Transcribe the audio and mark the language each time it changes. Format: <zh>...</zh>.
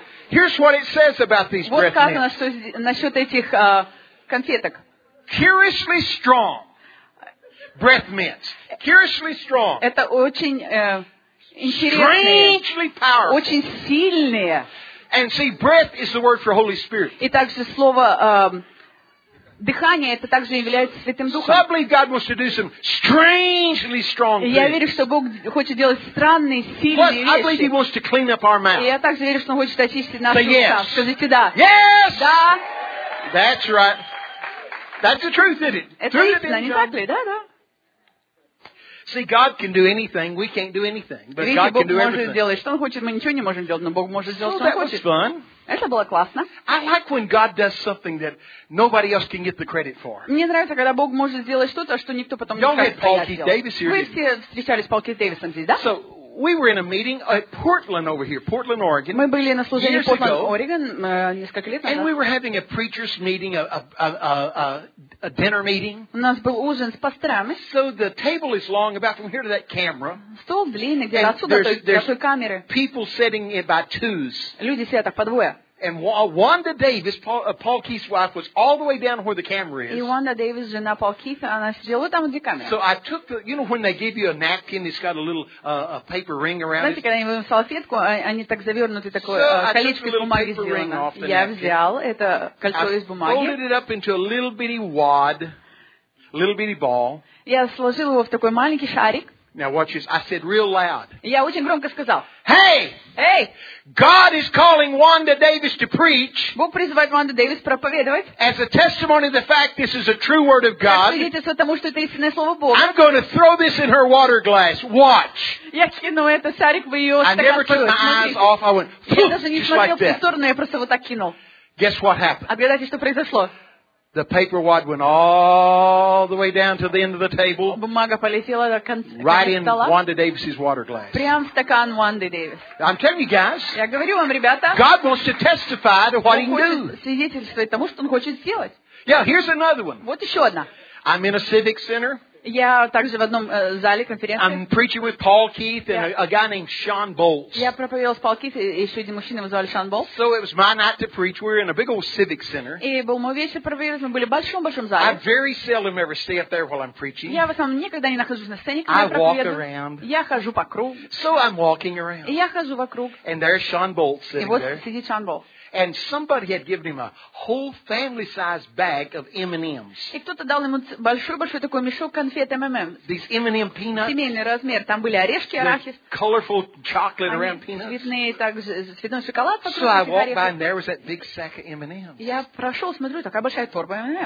<en>Here's what it says about these breath mints. Curiously strong breath mints. Curiously strong. Strangely powerful.</en> <ru>Очень сильные.</ru> <en>And see, breath is the word for Holy Spirit.</en> <ru>И также слово дыхание это также является Святым Духом.</ru> <en>So I believe God wants to do some strangely strong things.</en> <ru>Я верю, что Бог хочет делать странные, сильные вещи.</ru> <en>Plus, I believe He wants to clean up our mouth.</en> <ru>И я также верю, что Он хочет очистить наши уста. Скажите да.</ru> <en>Yes.</en> <ru>Да.</ru> <en>That's right. That's the truth, isn't it?</en> <ru>Это истина, не так ли? Да, да.</ru> <en>See, God can do anything. We can't do anything, but</en> <ru>видите,</ru> <en>God</en> <ru>Бог</ru> <en>can do everything.</en> <ru>Видите, Бог может сделать, что Он хочет. Мы ничего не можем делать, но Бог может сделать,</ru> <en>so</en> <ru>что Он хочет.</ru> <en>That was fun.</en> <ru>Это было классно.</ru> <en>I like when God does something that nobody else can get the credit for.</en> <ru>Мне нравится, когда Бог может сделать что-то, что никто потом не скажет, что я сделал.</ru> <en>Don't get Paul Keith Davis here.</en> <ru>Вы все встречались с Paul Keith Davis'ом здесь, да?</ru> <en>So we were in a meeting at Portland over here, Portland, Oregon.</en> <ru>Мы были на служении в Портленд, Орегон, несколько лет назад.</ru> <en>And we were having a preacher's meeting, a dinner meeting.</en> <ru>У нас был ужин с пасторами.</ru> <en>So the table is long, about from here to that camera.</en> <ru>Стол длинный, где-то отсюда до той камеры.</ru> <en>People sitting in by twos.</en> <ru>Люди сидят так по двое.</ru> <en>And Wanda Davis, Paul Keith's wife, was all the way down where the camera is.</en> <ru>И Wanda Davis, жена Paul Keith, она сидела там, где камера.</ru> <en>So I took the, you know, when they give you a napkin, it's got a little a paper ring around</en> <ru>знаете,</ru> <en>it.</en> <ru>Знаете, когда они вам салфетку, они так завернуты такое колечко из бумаги сделано. Я</ru> <en>napkin.</en> <ru>Взял это кольцо</ru> <en>I</en> <ru>из бумаги.</ru> <en>I folded it up into a little bitty wad, little bitty ball.</en> <ru>Я сложил его в такой маленький шарик.</ru> <en>Now watch this. I said real loud.</en> <ru>Я очень громко сказал.</ru> <en>Hey! Hey! God is calling Wanda Davis to preach.</en> <ru>Бог призывает Wanda Davis проповедовать.</ru> <en>As a testimony of the fact this is a true word of God.</en> <ru>Как свидетельство тому, что это истинное слово Божье.</ru> <en>I'm going to throw this in her water glass. Watch.</en> <ru>Я кину это шарик в её стакан.</ru> <en>I never took my eyes off. I went.</en> <ru>Я даже не смотрел в ту сторону, я просто вот так кинул.</ru> <en>Guess what happened?</en> <ru>Отгадайте, что произошло.</ru> <en>The paper wad went all the way down to the end of the table.</en> <ru>Бумага полетела до конца стола.</ru> <en>Right in Wanda Davis's water glass.</en> <ru>Прямо в стакан Wanda Davis.</ru> <en>I'm telling you guys.</en> <ru>Я говорю вам, ребята.</ru> <en>God wants to testify to what He can do.</en> <ru>Он хочет свидетельствовать тому, что Он хочет сделать.</ru> <en>Yeah, here's another one.</en> <ru>Вот еще одна.</ru> <en>I'm in a civic center.</en> <ru>Я также в одном зале конференции.</ru> <en>I'm preaching with Paul Keith and a guy named Sean Bowles.</en> <ru>Я проповедовал с Пол Кит и еще один мужчина, его звали Шон Боулс.</ru> <en>So it was my night to preach. We're in a big old civic center.</en> <ru>И был мой вечер проповедовать. Мы были в большом зале.</ru> <en>I very seldom ever stay up there while I'm preaching.</en> <ru>Я в основном никогда не нахожусь на сцене, когда я проповедую.</ru> <en>I walk around.</en> <ru>Я хожу по кругу.</ru> <en>So I'm walking around.</en> <ru>И я хожу вокруг.</ru> <en>And there's Sean Bowles sitting there.</en> <ru>И вот сидит Шон Боулс.</ru> <en>And somebody had given him a whole family-sized bag of M&Ms.</en> <ru>И кто-то дал ему большой такой мешок конфет M&M.</ru> <en>These M&M peanuts.</en> <ru>Семейный размер. Там были орешки, арахис.</ru> <en>Colorful chocolate around peanuts.</en> <ru>Цветные, также цветной шоколад.</ru> <en>So I walked by and there was that big sack of M&Ms.</en> <ru>Я прошел, смотрю, такая большая торба M&M.</ru>